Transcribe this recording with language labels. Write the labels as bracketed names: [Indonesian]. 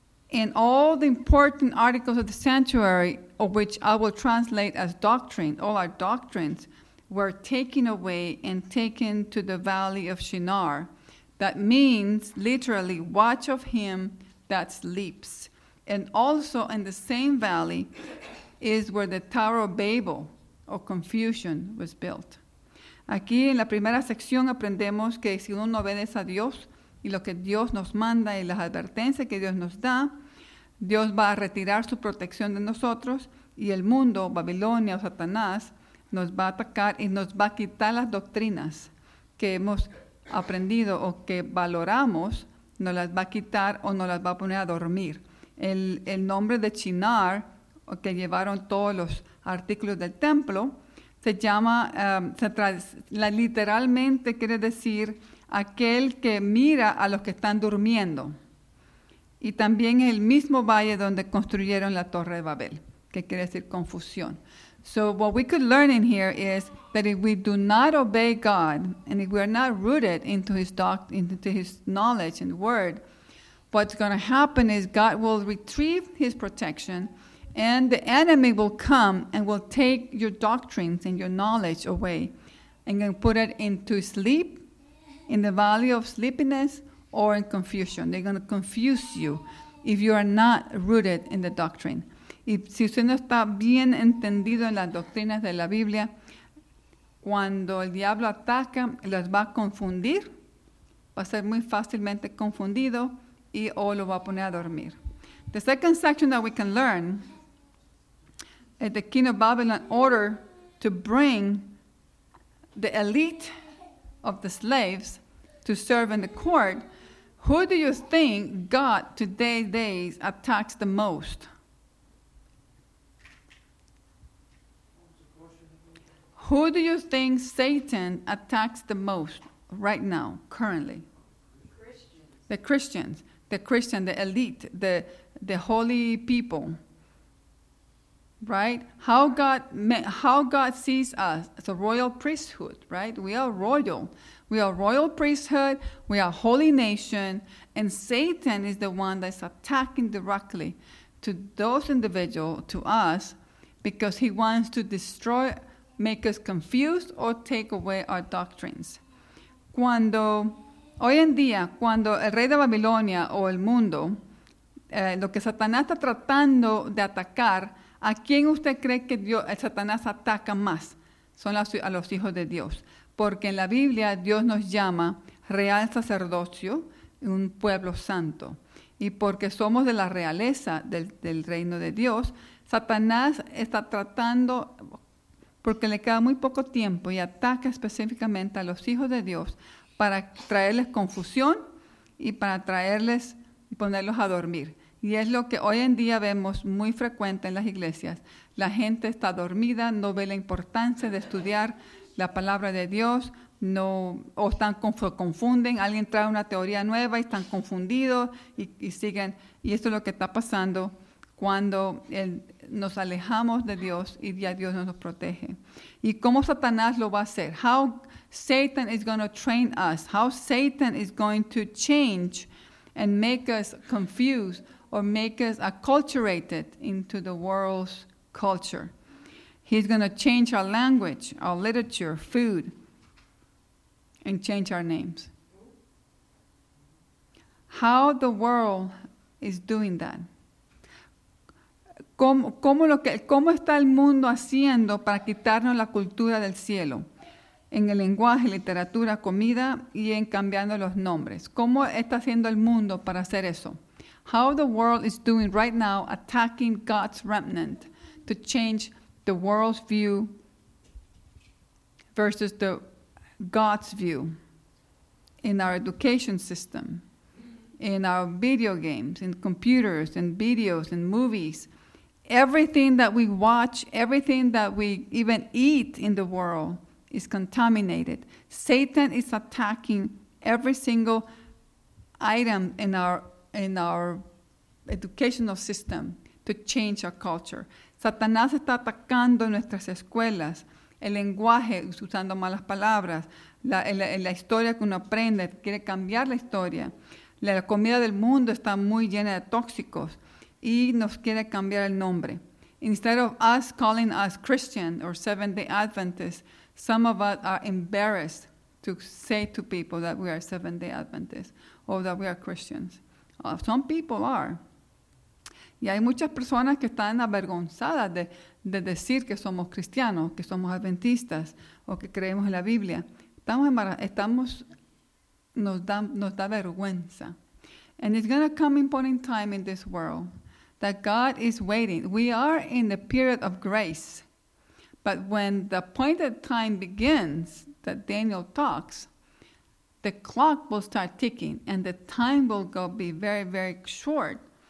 [English] In all the important articles of the sanctuary, of which I will translate as doctrine, all our doctrines were taken away and taken to the Valley of Shinar. That means, literally, watch of him that sleeps. And also in the same valley is where the Tower of Babel, or confusion, was built. [Spanish] Aquí en la primera sección aprendemos que si uno no obedece a Dios y lo que Dios nos manda y las advertencias que Dios nos da, Dios va a retirar su protección de nosotros y el mundo, Babilonia o Satanás, nos va a atacar y nos va a quitar las doctrinas que hemos aprendido o que valoramos, nos las va a quitar o nos las va a poner a dormir. El nombre de Chinar, que llevaron todos los artículos del templo, se llama, literalmente quiere decir aquel que mira a los que están durmiendo. Y también el mismo valle donde construyeron la Torre de Babel, que quiere decir confusión. [English] So what we could learn in here is that if we do not obey God and if we are not rooted into his into his knowledge and word, what's going to happen is God will retrieve his protection and the enemy will come and will take your doctrines and your knowledge away and then put it into sleep, in the valley of sleepiness, or in confusion. They're going to confuse you if you are not rooted in the doctrine. [Spanish] Y si usted no está bien entendido en las doctrinas de la Biblia, cuando el diablo ataca, las va a confundir, va a ser muy fácilmente confundido y o lo va a poner a dormir. [English] The second section that we can learn is the King of Babylon order to bring the elite of the slaves to serve in the court. Who do you think God today days attacks the most? Who do you think Satan attacks the most right now, currently? The Christians. The elite, the holy people. Right? How God sees us as a royal priesthood, right? We are royal. We are royal priesthood. We are holy nation. And Satan is the one that's attacking directly to those individuals, to us, because he wants to destroy, make us confused or take away our doctrines. [Spanish] Cuando, hoy en día, cuando el rey de Babilonia o el mundo, lo que Satanás está tratando de atacar, ¿a quién usted cree que Dios, el Satanás ataca más? Son a los hijos de Dios. Porque en la Biblia Dios nos llama real sacerdocio, un pueblo santo. Y porque somos de la realeza del reino de Dios, Satanás está tratando, porque le queda muy poco tiempo y ataca específicamente a los hijos de Dios para traerles confusión y para traerles y ponerlos a dormir. Y es lo que hoy en día vemos muy frecuente en las iglesias. La gente está dormida, no ve la importancia de estudiar la palabra de Dios, no, o están confunden, alguien trae una teoría nueva y están confundidos y siguen. Y esto es lo que está pasando cuando nos alejamos de Dios y ya Dios nos protege. ¿Y cómo Satanás lo va a hacer? [English] How Satan is going to train us? How Satan is going to change and make us confused or make us acculturated into the world's culture? He's going to change our language, our literature, food, and change our names. How the world is doing that? [Spanish] ¿Cómo está el mundo haciendo para quitarnos la cultura del cielo? En el lenguaje, literatura, comida y en cambiando los nombres. ¿Cómo está haciendo el mundo para hacer eso? [English] How the world is doing right now attacking God's remnant to change the world's view versus the God's view in our education system, in our video games, in computers, in videos, in movies. Everything that we watch, everything that we even eat in the world is contaminated. Satan is attacking every single item in our educational system to change our culture. [Spanish] Satanás está atacando nuestras escuelas, el lenguaje, usando malas palabras, la historia que uno aprende, quiere cambiar la historia. La comida del mundo está muy llena de tóxicos y nos quiere cambiar el nombre. [English] Instead of us calling us Christian or Seventh-day Adventists, some of us are embarrassed to say to people that we are Seventh-day Adventists or that we are Christians. Some people are. [Spanish] Y hay muchas personas que están avergonzadas de decir que somos cristianos, que somos adventistas o que creemos en la Biblia. Nos da vergüenza. [English] And it's going to come in point time in this world that God is waiting. We are in the period of grace. But when the appointed time begins that Daniel talks, the clock will start ticking and the time will go be very, very short.